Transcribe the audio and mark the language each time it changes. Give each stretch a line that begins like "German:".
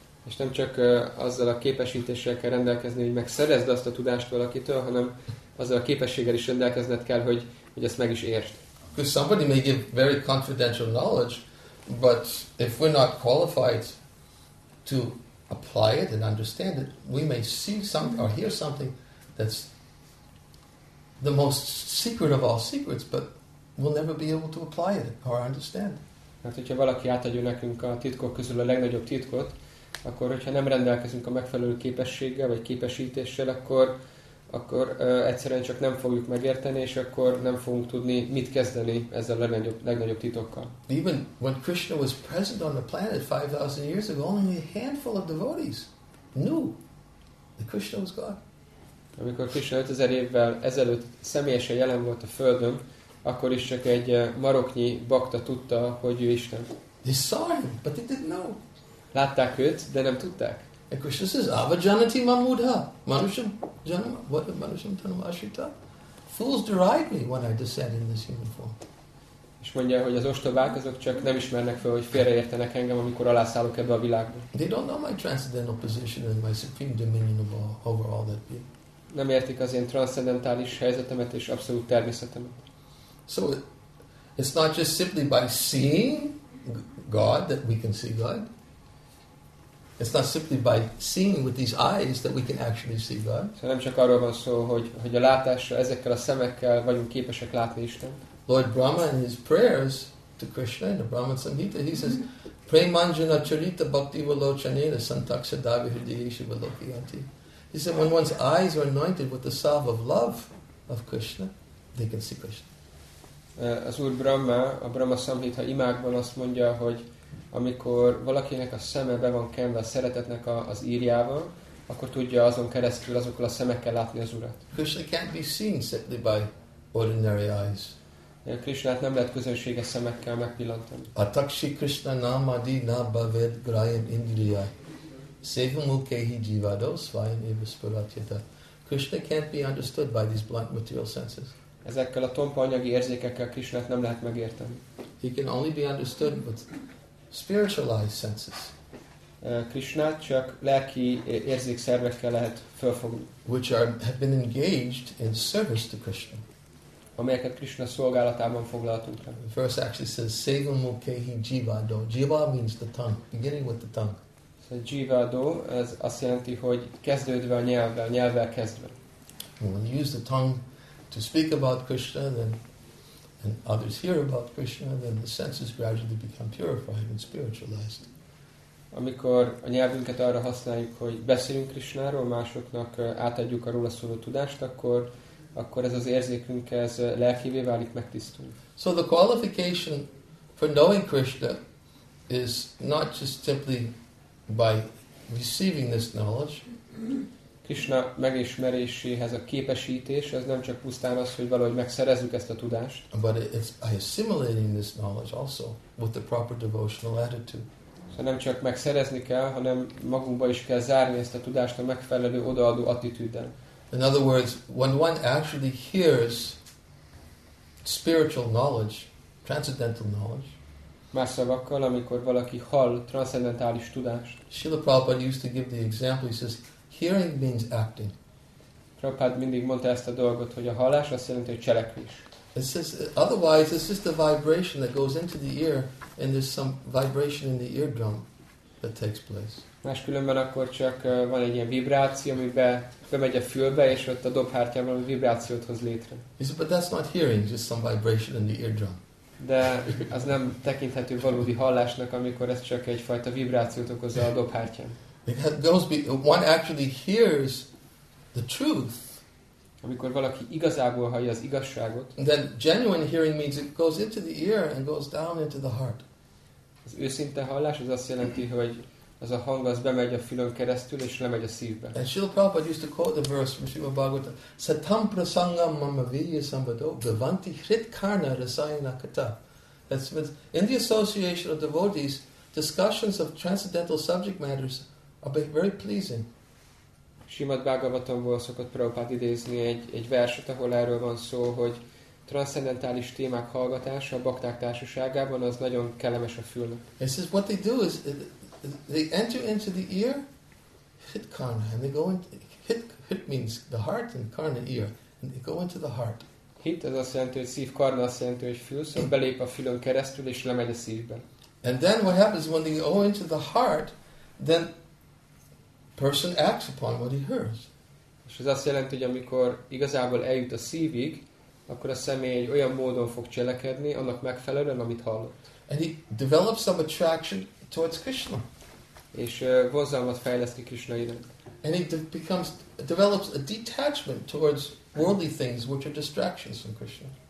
Hungarian: És nem csak azzal a képesítéssel kell rendelkezni, hogy megszerezd azt a tudást valakitől, hanem azzal a képességgel is rendelkezned kell, hogy ezt meg is értsd.
English: Because somebody may give very confidential knowledge, but if we're not qualified to apply it and understand it, we may see something or hear something that's the most secret of all secrets, but we'll never be able to apply it or understand.
Hungarian: Mert hogyha valaki átadja nekünk a titkok közül a legnagyobb titkot, akkor hogyha nem rendelkezünk a megfelelő képességgel vagy képesítéssel, akkor egyszerűen csak nem fogjuk megérteni, és akkor nem fogunk tudni mit kezdeni ezzel a legnagyobb titokkal.
English: Even when Krishna was present on the planet 5000 years ago, only a handful of devotees knew that Krishna was God.
Hungarian: Amikor Krishna 5000 évvel ezelőtt személyesen jelen volt a Földön, akkor is csak egy maroknyi bakta tudta, hogy ő Isten.
English: They saw him, but they didn't know.
Hungarian: Látták őt, de nem tudták.
English: And Krishna says,
Sanskrit: avajanati mamudha, manushyam janam, what a manushyam tanam ashrita.
English: Fools deride me when I descend in this human form.
Hungarian: És mondja, hogy az ostobák azok csak nem ismernek fel, hogy félreértenek engem, amikor alászállok ebbe a világba.
English: They don't know my transcendental position and my supreme dominion over all that being.
Hungarian: Nem értik az én transzcendentális helyzetemet és abszolút természetemet.
English: So It's not just simply by seeing God that we can see God. It's not simply by seeing with these eyes that we can actually see God.
Hungarian: Szóval nem csak arról van szó, hogy a látásra ezekkel a szemekkel vagyunk képesek látni Istent.
English: Lord Brahma in his prayers to Krishna in the Brahman Samhita, he says,
Sanskrit: "Pray manjana charita bhakti valochanena santakshadavi hridayeshu valokiyanti."
English: He said, when one's eyes are anointed with the salve of love of Krishna, they can see Krishna.
Hungarian: Az Úr Brahma, a Brahma Samhita imákban azt mondja, hogy amikor valakinek a szeme be van kenve a szeretetnek az írjában, akkor tudja azon keresztül, azokkal a szemekkel látni az Urat.
English: Krishna can't be seen simply by ordinary eyes.
Hungarian: Krishnát nem lehet közönséges szemekkel megpillantani.
Sanskrit: Atakshi Krishna namadi nabhaved grahyam indriya. Sevamukehi jivado svayam eva spuratyata.
English: Krishna can't be understood by these blunt material senses.
Hungarian: Ezekkel a tompa anyagi érzékekkel Krishnát nem lehet megérteni.
English: He can only be understood with spiritualized senses.
Hungarian: Krishnát csak lelki érzékszervekkel lehet fölfogni.
English: Which have been engaged in service to Krishna.
Hungarian: Amelyeket Krishna szolgálatában foglaltunk el.
English: First actually says,
Sanskrit: Sevamukehi jivado.
English: Jiva means the tongue, beginning with the tongue.
Hungarian: A jivado, ez azt jelenti, hogy kezdődve a nyelvvel, nyelvvel kezdve.
English: When you use the tongue to speak about Krishna, then and others hear about Krishna, then the senses gradually become purified and spiritualized.
Hungarian: Amikor a nyelvünket arra használjuk, hogy beszélünk Krishnáról, másoknak átadjuk a róla szóló tudást, akkor ez az érzékünk, ez lelkivé válik, megtisztul.
English: So the qualification for knowing Krishna is not just simply by receiving this knowledge.
Hungarian: Krishna megismeréséhez a képesítés, ez nem csak pusztán az, hogy valahogy megszerezzük ezt a tudást.
English: But it's by assimilating this knowledge also with the proper devotional attitude.
Hungarian: Szóval nem csak megszerezni kell, hanem magunkba is kell zárni ezt a tudást a megfelelő odaadó attitűddel.
English: In other words, when one actually hears spiritual knowledge, transcendental knowledge,
Hungarian: más szavakkal, amikor valaki hall transzendentális tudást.
English: Srila Prabhupada used to give the example, he says, hearing means acting.
Hungarian: Prabhupada mindig mondta ezt a dolgot, hogy a hallás azt jelenti, hogy cselekvés.
English: It says, otherwise, it's just a vibration that goes into the ear, and there's some vibration in the eardrum that takes place.
Hungarian: Máskülönben akkor csak van egy ilyen vibráció, amiben bemegy a fülbe, és ott a dobhártyában a vibrációt hoz létre.
English: He says, but that's not hearing, just some vibration in the eardrum.
Hungarian: De az nem tekinthető valódi hallásnak, amikor ez csak egyfajta vibrációt okozza a dobhártyán.
English: One actually hears the truth.
Hungarian: Amikor valaki igazából hallja az igazságot.
English: Then genuine hearing means it goes into the ear and goes down into the heart.
Hungarian: Az őszinte hallás az azt jelenti, hogy az a hang az bemegy a fülön keresztül és lemegy a szívbe.
English: And Srila Prabhupada used to quote the verse from Srimad Bhagavatam,
Sanskrit: Satam prasangam mama virya sambhado bhavanti hrit karna rasayana kata.
English: That's with, in the association of devotees, discussions of transcendental subject matters are very pleasing.
Hungarian: Srimad Bhagavatamból szokott Prabhupada idézni egy verset, ahol erről van szó, hogy transzendentális témák hallgatása a bakták társaságában az nagyon kellemes a fülnek.
English: It says what they do is they enter into the ear, hit karna, and they go into hit means the heart and karna ear, and they go into the heart.
Hungarian: Hit az azt jelenti, hogy szív, karna azt jelenti, hogy fül, szóval belép a fülön keresztül és lemegy a szívbe.
English: And then what happens when they go into the heart, then person acts upon what he hears.
Hungarian: És ez azt jelenti, hogy amikor igazából eljut a szívig, akkor a személy egy olyan módon fog cselekedni, annak megfelelően, amit hallott.
English: And he develops some attraction towards Krishna.
Hungarian: És vonzalmat fejleszti Krishna iránt.
English: And he develops a detachment towards worldly things, which are distractions from Krishna.